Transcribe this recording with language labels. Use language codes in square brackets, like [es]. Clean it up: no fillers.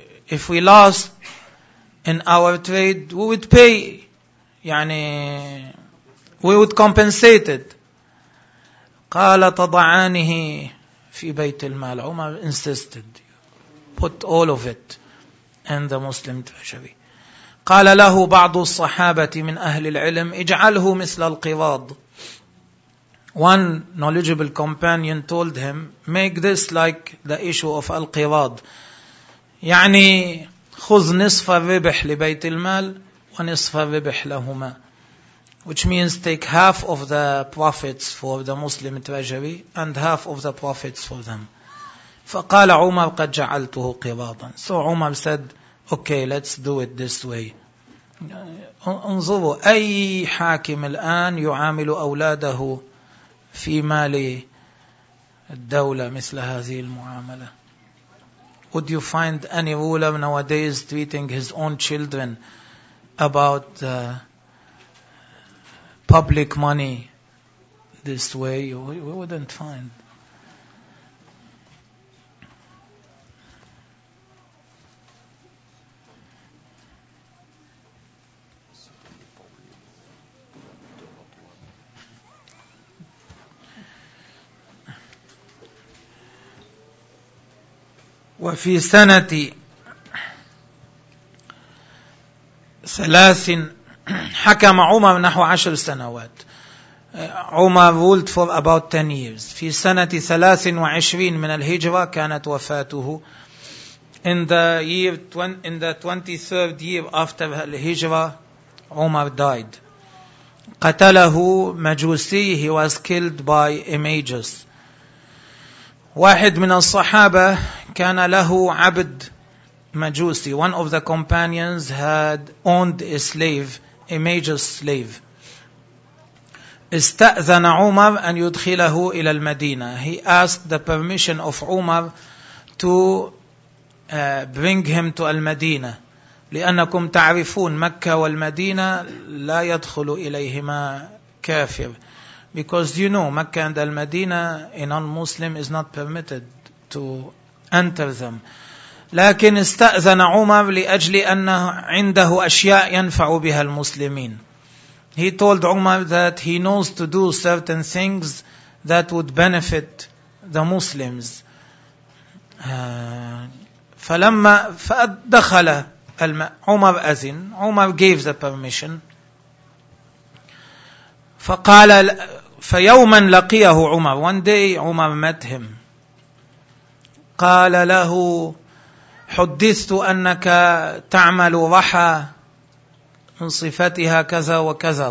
[en] If we lost in our trade, we would pay, يعني we would compensate it. [ar] قال تضعانه في بيت المال. [en] عمر insisted, put all of it in the Muslim treasury. [ar] قال له بعض الصحابة من أهل العلم اجعله مثل القواض. [en] One knowledgeable companion told him, make this like the issue of القواض. [ar] يعني خذ نصف الربح لبيت المال ونصف الربح لهما. [en] Which means take half of the profits for the Muslim treasury and half of the profits for them. [ar] فقال عمر قد جعلته قواضا. [en] So عمر said, okay, let's do it this way. [ar] انظروا أي حاكم الآن يعامل أولاده في مال الدولة مثل هذه المعاملة. [en] Would you find any ruler nowadays treating his own children about public money this way? We wouldn't find. [ar] وفي سنة 30 حكم عمر نحو 10 سنوات. [en] عمر ruled for about 10 years. [ar] في سنة 23 من الهجرة كانت وفاته. [en] In the 23rd year after الهجرة عمر died. [ar] قتله مجوسي. [en] He was killed by a magus. [ar] واحد من الصحابة كان له عبد مجوسي. [en] One of the companions had owned a slave, a magus slave. [ar] استأذن عمر أن يدخله إلى المدينة. [en] He asked the permission of عمر to bring him to المدينة. [ar] لأنكم تعرفون مكة والمدينة لا يدخل إليهما كافر. [en] Because you know, Mecca and Al-Madina, a non-Muslim is not permitted to enter them. [ar] لكن استأذن عمر لأجل أن عنده أشياء ينفع بها المسلمين. [en] He told عمر that he knows to do certain things that would benefit the Muslims. [ar] فلما فدخل عمر أذن. [en] عمر gave the permission. [ar] فقال فيوما لقيه عمر. [en] One day عمر met him. [ar] قال له حدثت أنك تعمل رحى من صفتها كذا وكذا.